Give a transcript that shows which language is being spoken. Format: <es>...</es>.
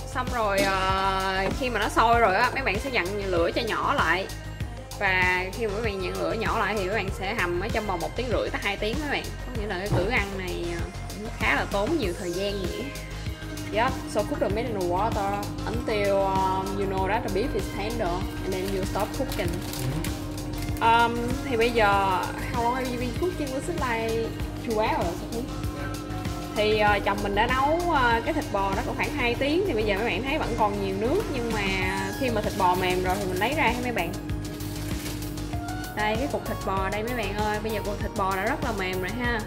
<vi>Xong rồi khi mà nó sôi rồi á, mấy bạn sẽ dặn lửa cho nhỏ lại. Và khi mà các bạn nhận lửa nhỏ lại thì các bạn sẽ hầm ở trong vòng 1 tiếng rưỡi tới 2 tiếng các bạn. Có nghĩa là cái cử ăn này cũng khá là tốn nhiều thời gian nhỉ.</vi> <en>Yup, so cook the meat in the water until you know that the beef is tender and then you stop cooking.</en> <vi>Thì bây giờ,</vi> <en>how long have you been cooking? Was it like 2 hours?</en> <vi>Thì chồng mình đã nấu cái thịt bò đó khoảng 2 tiếng. Thì bây giờ mấy bạn thấy vẫn còn nhiều nước. Nhưng mà khi mà thịt bò mềm rồi thì mình lấy ra hay mấy bạn. Đây cái cục thịt bò đây mấy bạn ơi, bây giờ cục thịt bò đã rất là mềm rồi ha.</vi>